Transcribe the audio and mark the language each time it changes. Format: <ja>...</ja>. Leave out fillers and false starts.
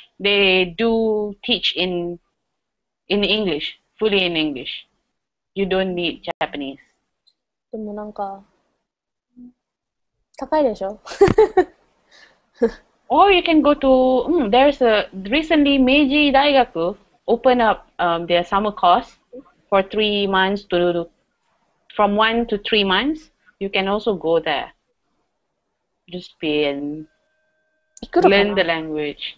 <en>They do teach in English, fully in English. You don't need Japanese.</en> <ja>でもなんか、高いでしょ?</ja> <en>Or you can go to, there's a recently Meiji 大学open up their summer course for 3 months to from 1 to 3 months. You can also go there. Just be and learn the language.</en>